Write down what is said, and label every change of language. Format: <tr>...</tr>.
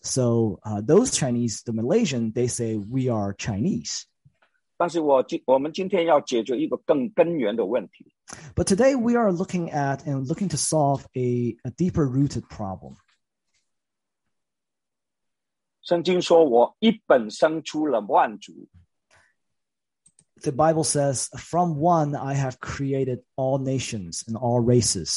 <en>So those Chinese, the Malaysian, they say we are Chinese.</en> <zh>但是我们今天要解决一个更根源的问题。</zh> <en>But today we are looking at and looking to solve a deeper-rooted problem.</en> <zh>圣经说我一本生出了万族。</zh> <en>The Bible says, from one I have created all nations and all races.</en>